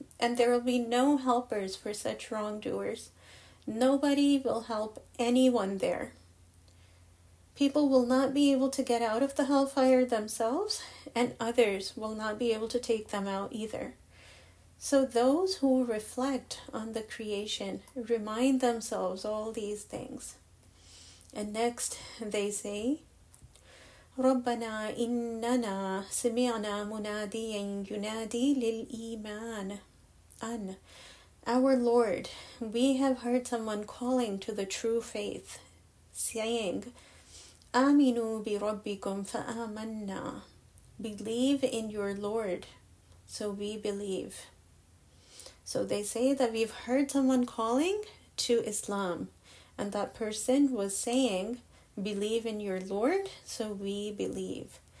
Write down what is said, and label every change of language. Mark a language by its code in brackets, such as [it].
[en] And there will be no helpers for such wrongdoers. Nobody will help anyone there. People will not be able to get out of the hellfire themselves, and others will not be able to take them out either. So those who reflect on the creation remind themselves all these things. And next they say, [ar] رَبَّنَا إِنَّنَا سَمِعْنَا مُنَادِيًا يُنَادِي لِلْإِيمَانِ أَنْ. [en] Our Lord, we have heard someone calling to the true faith, saying, [ar] آمِنُوا بِرَبِّكُمْ فَآمَنَّا. [en] Believe in your Lord, so we believe. So they say that we've heard someone calling to Islam, and that person was saying, believe in your Lord, so we believe.